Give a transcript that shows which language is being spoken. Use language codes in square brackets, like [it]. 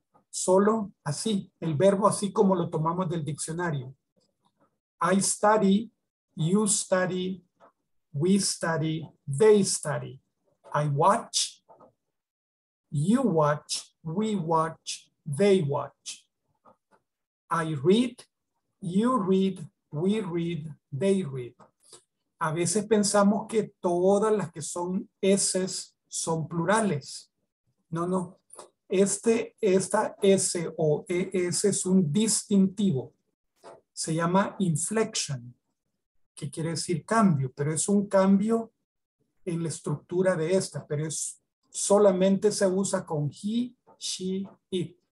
[es] Solo así, el verbo así como lo tomamos del diccionario. [en] I study, you study, we study, they study. I watch, you watch, we watch, they watch. I read, you read, we read, they read. [es] A veces pensamos que todas las que son S son plurales. No, no. Esta S o ES es un distintivo. Se llama inflection, que quiere decir cambio, pero es un cambio en la estructura de esta, pero es, solamente se usa con [en] he, she, it.